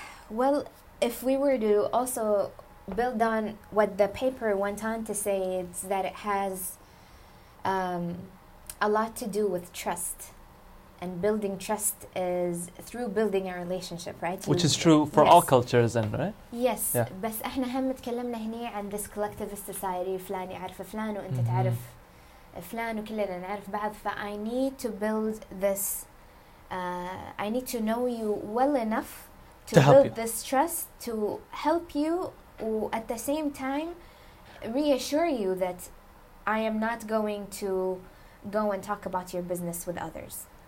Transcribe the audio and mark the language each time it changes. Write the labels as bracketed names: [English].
[English] Well, if we were to also build on what the paper went on to say, it's that it has a lot to do with trust. And building trust is through building a relationship, right? Which is true for all cultures, then, right? [Arabic] Yes. بس احنا هم تكلمنا هنا عن [English] this collectivist society. [Arabic] فلان يعرف فلان وانت تعرف فلان وكلنا نعرف بعض. [English] ف I need to build this. I need to know you well enough to build this trust, to help you, and at the same time reassure you that I am not going to go and talk about your business with others.